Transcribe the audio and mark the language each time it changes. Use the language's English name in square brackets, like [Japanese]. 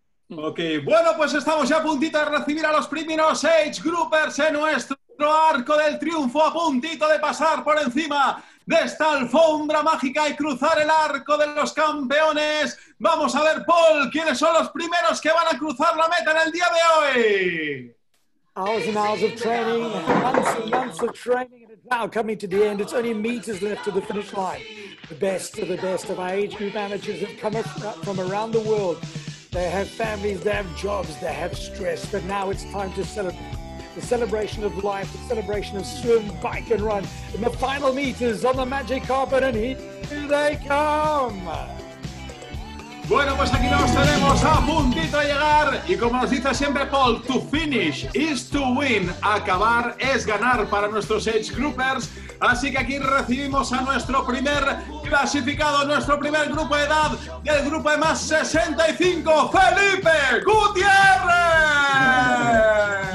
[Spanish] Ok, bueno, pues estamos ya a puntito de recibir a los primeros age groupers en nuestro arco del triunfo, a puntito de pasar por encima de esta alfombra mágica y cruzar el arco de los campeones. Vamos a ver, Paul, ¿quiénes son los primeros que van a cruzar la meta en el día de hoy? [English] Hours and hours of training, months and months of training, and it's now coming to the end. It's only meters left to the finish line. The best of our age group amateurs have come up from around the world. They have families, they have jobs, they have stress, but now it's time to celebrate. The celebration of life, the celebration of swim, bike and run, and the final meters on the magic carpet, and here they come! [Spanish] Bueno, pues aquí nos tenemos a puntito de llegar. Y como nos dice siempre Paul, [English] to finish is to win. [Spanish] Acabar es ganar para nuestros age groupers. Así que aquí recibimos a nuestro primer clasificado, nuestro primer grupo de edad, del grupo de más 65, Felipe Gutiérrez.